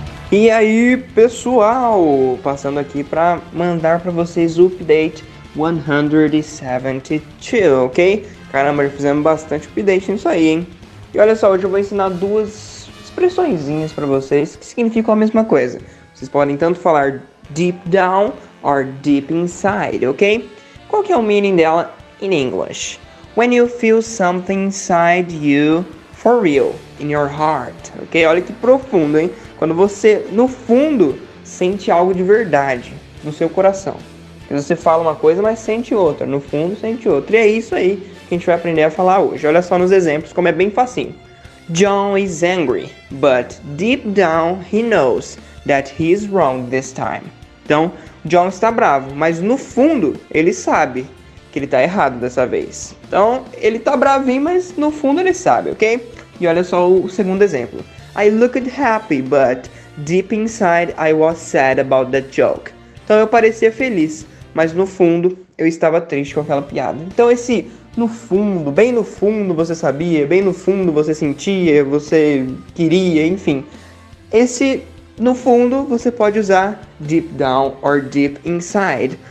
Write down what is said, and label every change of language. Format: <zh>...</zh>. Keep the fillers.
<pt>E aí, pessoal, passando aqui para mandar para vocês o update 172, ok? Caramba, já fizemos bastante update nisso aí, hein? E olha só, hoje eu vou ensinar duas expressõezinhas para vocês que significam a mesma coisa. Vocês podem tanto falar</pt> <en>deep down or deep inside,</en> <pt>ok? Qual que é o meaning dela in em inglês?</pt> <en>When you feel something inside you for real, in your heart, ok?</en> <pt>Olha que profundo, hein? quando você no fundo sente algo de verdade no seu coração. Você fala uma coisa, mas sente outra, no fundo sente outra. E é isso aí que a gente vai aprender a falar hoje. Olha só nos exemplos como é bem facinho.</pt> <en>John is angry, but deep down he knows that he is wrong this time.</en> <pt>Então, John está bravo, mas no fundo ele sabe que ele está errado dessa vez. Então, ele está bravinho, mas no fundo ele sabe, ok? E olha só o segundo exemplo.</pt> <en>I looked happy, but deep inside I was sad about that joke.</en> <pt>Então eu parecia feliz, mas no fundo eu estava triste com aquela piada. Então esse no fundo, bem no fundo você sabia, bem no fundo você sentia, você queria, enfim. Esse no fundo você pode usar</pt> <en>deep down or deep inside.</en>